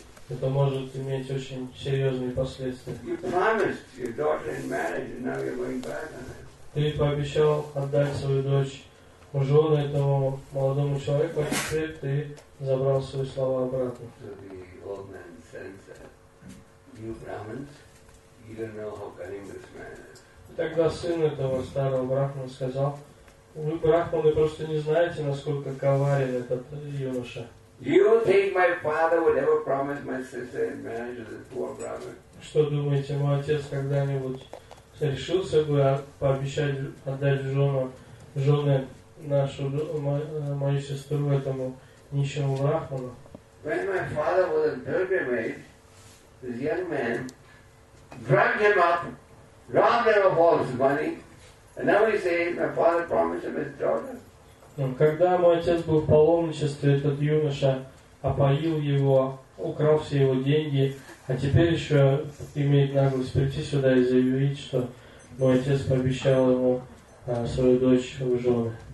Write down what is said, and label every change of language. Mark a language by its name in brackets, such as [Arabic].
[Russian] Это может иметь очень серьезные последствия. [English] You promised your daughter in marriage, and now you're going back on it. [Russian] Ты пообещал отдать свою дочь жену этому молодому человеку, а теперь ты забрал свои слова обратно. [English] So the old man says that you promised, you don't know how cunning this man is. [Russian] И тогда сын этого старого брахмана сказал, вы, брахманы, просто не знаете, насколько коварен этот юноша. [English] You think my father would ever promise my sister in marriage to the poor brahman? [Russian] Что думаете, мой отец когда-нибудь решился бы пообещать отдать жену нашу мою сестру этому нищему брахману. [English] When my father was a pilgrimage, this young man drugged him up, robbed him of all his money, and now he says my father promised him his daughter. [Russian] Когда мой отец был в паломничестве, этот юноша опоил его, украл все его деньги, а теперь еще имеет наглость прийти сюда и заявить, что мой отец пообещал ему свою дочь в жены.